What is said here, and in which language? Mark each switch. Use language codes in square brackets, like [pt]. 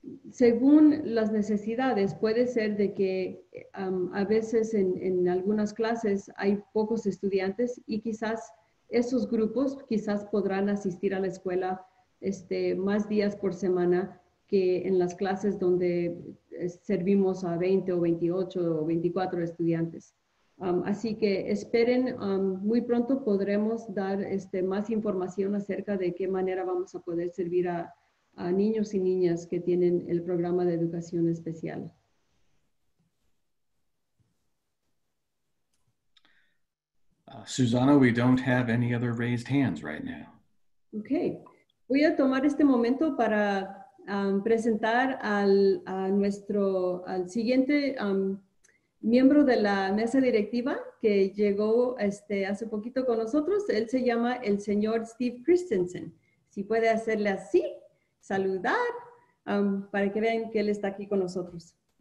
[es] Según las necesidades, puede ser de que a veces en algunas clases hay pocos estudiantes y quizás esos grupos quizás podrán asistir a la escuela más días por semana que en las clases donde servimos a 20 o 28 o 24 estudiantes. Así que esperen, muy pronto podremos dar más información acerca de qué manera vamos a poder servir a niños y niñas que tienen el programa de educación especial. [en] Susana, we don't have any other raised hands right now. Okay. [es] Voy a tomar este momento para presentar al siguiente miembro de la mesa directiva que llegó hace poquito con nosotros. Él se llama el señor Steve Christensen. Si puede hacerle así, saludar, para que vean que él está aquí con nosotros.